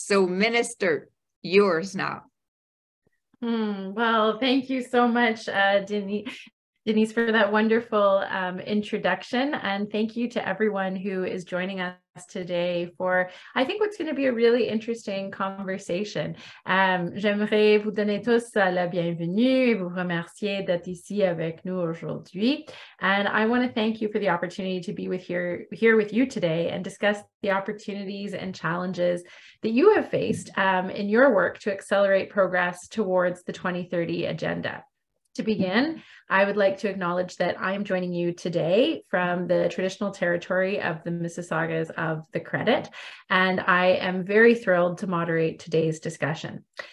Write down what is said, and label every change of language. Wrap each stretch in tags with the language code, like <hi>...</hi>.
<en>So, Minister, yours now. Well, thank you so much, Denise, for that wonderful introduction. And thank you to everyone who is joining us today for, I think, what's going to be a really interesting conversation.</en> <fr>J'aimerais vous donner tous la bienvenue et vous remercier d'être ici avec nous aujourd'hui.</fr> <en>And I want to thank you for the opportunity to be with here with you today and discuss the opportunities and challenges that you have faced in your work to accelerate progress towards the 2030 agenda. To begin, I would like to acknowledge that I am joining you today from the traditional territory of the Mississaugas of the Credit, and I am very thrilled to moderate today's discussion.</en>